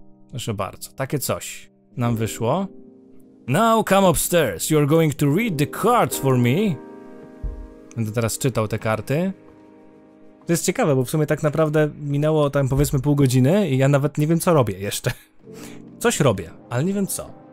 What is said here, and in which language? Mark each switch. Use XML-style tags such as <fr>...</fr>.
<pl>Proszę bardzo, takie coś nam wyszło.</pl> <en>Now come upstairs. You are going to read the cards for me.</en> <pl>Będę teraz czytał te karty. To jest ciekawe, bo w sumie tak naprawdę minęło tam powiedzmy pół godziny i ja nawet nie wiem, co robię jeszcze. Coś robię, ale nie wiem co.</pl>